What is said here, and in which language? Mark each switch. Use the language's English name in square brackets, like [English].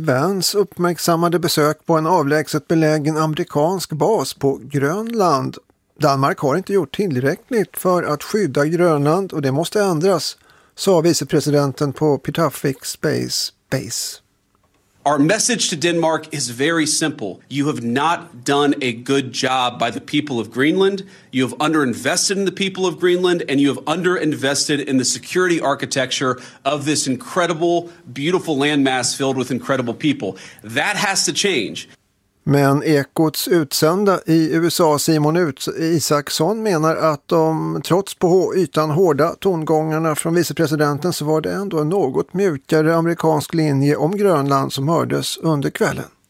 [Swedish] Vance uppmärksammade besök på en avlägset belägen amerikansk bas på Grönland. Danmark har inte gjort tillräckligt för att skydda Grönland och det måste ändras, sa vicepresidenten på Pituffik Space Base. [English] Our message to Denmark is very simple. You have not done a good job by the people of Greenland. You have underinvested in the people of Greenland and you have underinvested in the security architecture of this incredible, beautiful landmass filled with incredible people. That has to change. [Swedish] Men Ekots utsända i USA Simon Isaksson menar att de trots på ytan hårda tongångarna från vicepresidenten så var det ändå en något mjukare amerikansk linje om Grönland som hördes under kvällen.